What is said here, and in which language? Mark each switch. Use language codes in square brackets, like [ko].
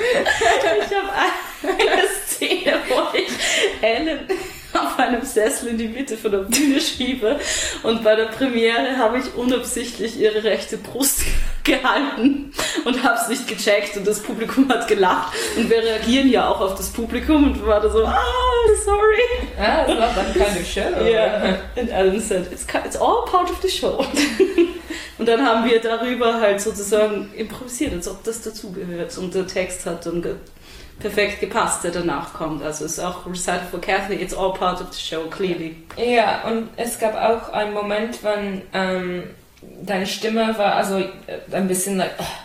[de] Ich habe eine Szene, wo ich Ellen auf einem Sessel in die Mitte von der Bühne schiebe und bei der Premiere habe ich unabsichtlich ihre rechte Brust gehalten und habe es nicht gecheckt und das Publikum hat gelacht und wir reagieren ja auch auf das Publikum und war da so, ah, sorry. Ja, das war dann keine Show. [en] Yeah. [de] Und [en] Ellen said, it's all part of the show. [de] Und dann haben wir darüber halt sozusagen improvisiert, als ob das dazugehört. Und der Text hat dann perfekt gepasst, der danach kommt. Also es ist auch Recital for Kathy, it's all part of the show, clearly. Ja, und es gab auch einen Moment, wenn deine Stimme war, also ein bisschen [en] like, [de] oh.